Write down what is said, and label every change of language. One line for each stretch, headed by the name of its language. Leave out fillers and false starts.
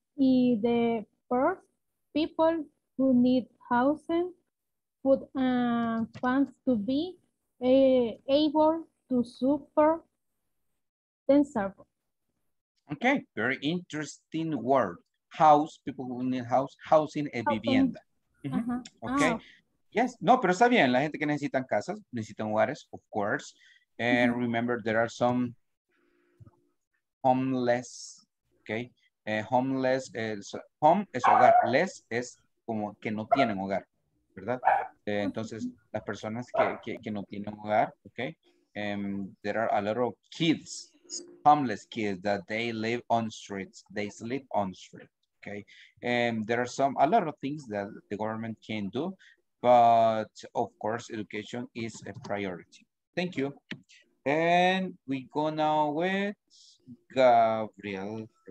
English: The first people who need housing, food, and funds to be able to support themselves. Okay, very interesting word. House, people who need house, housing, and vivienda. Mm-hmm. Uh-huh. Okay, oh.
Spanish: Yes, no, pero está bien, la gente que necesitan casas, necesitan hogares,
English: of course.
Spanish: And mm-hmm.
English: Remember, there are some homeless, okay?
Spanish: Homeless, home es hogar, less es como que no tienen hogar, ¿verdad? Entonces, las personas que no tienen hogar, okay?
English: There are a lot of kids, homeless kids that they live on streets, they sleep on streets, okay? There are a lot of things that the government can do, but of course, education is a priority. Thank you. And we go now with Gabriel.